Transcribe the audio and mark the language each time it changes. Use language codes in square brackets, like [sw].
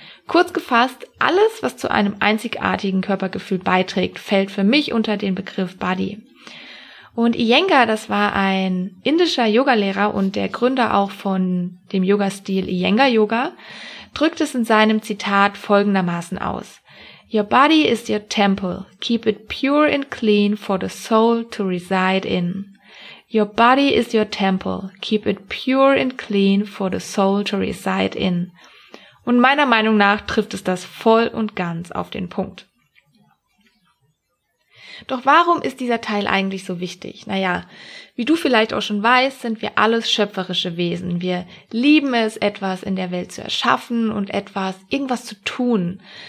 [de] Kurz gefasst, alles, was zu einem einzigartigen Körpergefühl beiträgt, fällt für mich unter den Begriff Body. Und Iyengar, das war ein indischer Yogalehrer und der Gründer auch von dem Yoga-Stil Iyengar Yoga, drückt es in seinem Zitat folgendermaßen aus. [en] Your body is your temple. Keep it pure and clean for the soul to reside in. Your body is your temple. Keep it pure and clean for the soul to reside in. [de] Und meiner Meinung nach trifft es das voll und ganz auf den Punkt. Doch warum ist dieser Teil eigentlich so wichtig? Naja, wie du vielleicht auch schon weißt, sind wir alles schöpferische Wesen. Wir lieben es, etwas in der Welt zu erschaffen und irgendwas zu tun.